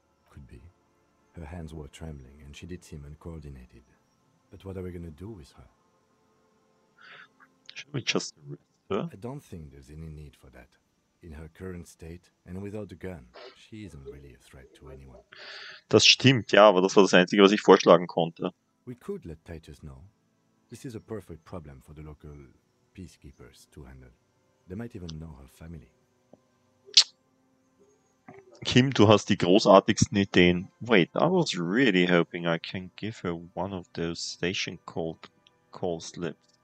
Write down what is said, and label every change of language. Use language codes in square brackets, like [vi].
[en] Could be. Her hands were trembling and she did seem uncoordinated. But what are we gonna do with her? Should we just arrest her? I don't think there's any need for that. In her current state and without a gun, she isn't really a threat to anyone. [de] Das stimmt, ja, aber das war das Einzige, was ich vorschlagen konnte. [en] We could let Titus know. This is a perfect problem for the local peacekeepers to handle. They might even know her family. [de] Kim, du hast die großartigsten Ideen. [en] Wait, I was really hoping I can give her one of those station call slips.